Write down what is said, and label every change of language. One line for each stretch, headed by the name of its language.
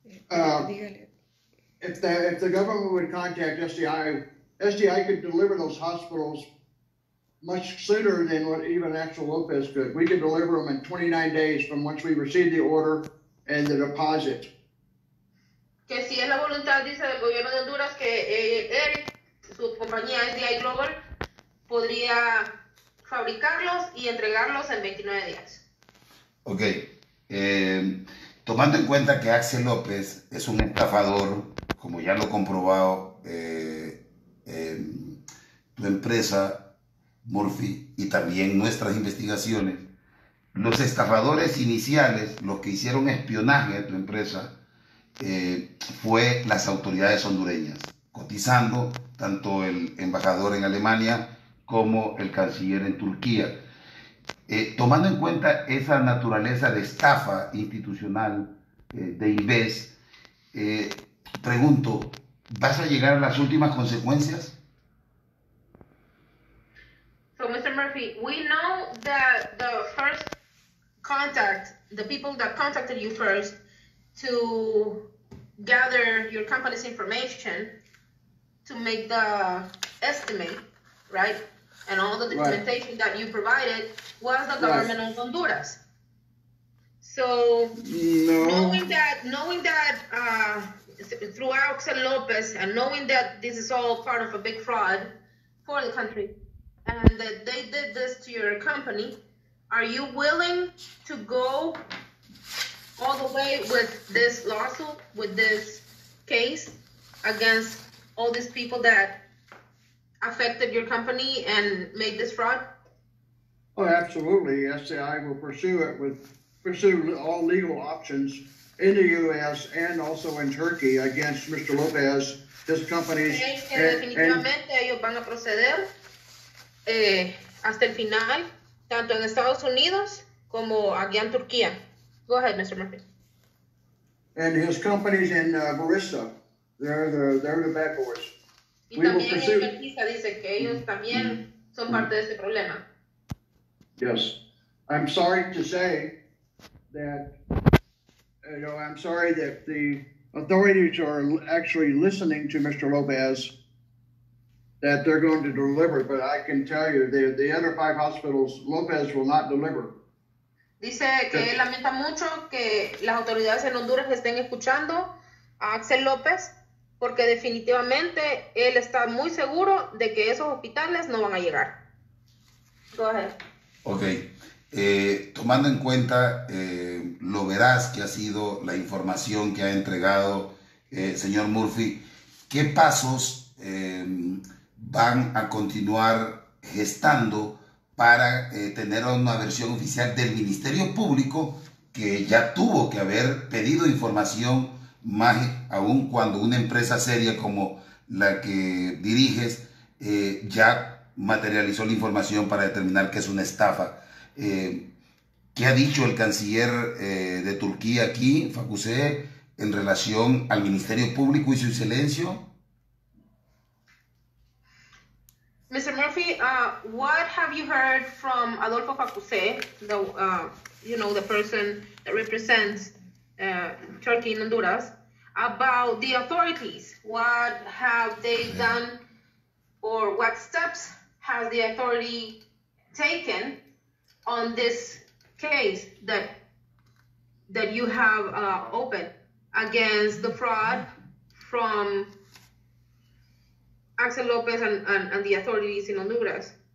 English: If the government would contact SDI could deliver those hospitals much sooner than what even Axel Lopez could. We could deliver them in 29 days from once we received the order and the deposit.
Spanish: que si es la voluntad, dice, del gobierno de Honduras, que él, su compañía SDI Global, podría fabricarlos y entregarlos en 29 días. Ok. Tomando en cuenta que Axel López es un estafador, como ya lo he comprobado, tu empresa, Murphy, y también nuestras investigaciones, los estafadores iniciales, los que hicieron espionaje a tu empresa, fue las autoridades hondureñas, cotizando tanto el embajador en Alemania como el canciller en Turquía. Tomando en cuenta esa naturaleza de estafa institucional de Inves, pregunto, ¿vas a llegar a las últimas consecuencias?
English: So, Mr. Murphy, we know that the first contact, the people that contacted you first to gather your company's information to make the estimate, right? And all the documentation right. that you provided was the government right. of Honduras. So no. knowing that through Axel López and knowing that this is all part of a big fraud for the country and that they did this to your company, are you willing to go all the way with this lawsuit, with this case against all these people that affected your company and made this fraud? Oh, absolutely. SDI will pursue it with pursue all legal options in the U.S. and also in Turkey against Mr. López, his companies.
Spanish: Okay, definitivamente ellos van a proceder hasta el final, tanto en Estados Unidos como aquí en Turquía.
English: Go ahead, Mr. Murphy. And his companies in Barista, they're the bad boys.
Spanish: Y también el periodista dice que ellos también son parte de ese problema.
English: Yes. I'm sorry to say that, you know, I'm sorry that the authorities are actually listening to Mr. López, that they're going to deliver, but I can tell you the other five hospitals, López will not deliver.
Spanish: Dice que él lamenta mucho que las autoridades en Honduras estén escuchando a Axel López, porque definitivamente él está muy seguro de que esos hospitales no van a llegar.
English: Go ahead. Ok.
Spanish: Tomando en cuenta lo veraz que ha sido la información que ha entregado señor Murphy, ¿qué pasos van a continuar gestando para tener una versión oficial del Ministerio Público que ya tuvo que haber pedido información? Más aún cuando una empresa seria como la que diriges ya materializó la información para determinar que es una estafa. ¿Qué ha dicho el canciller de Turquía aquí, Facuse, en relación al Ministerio Público y su silencio?
English: Mr. Murphy, what have you heard from Adolfo Facuse, the person that represents Turkey in Honduras? About the authorities, what have they done or what steps has the authority taken on this case that you have opened against the fraud from Axel López and the authorities in Honduras?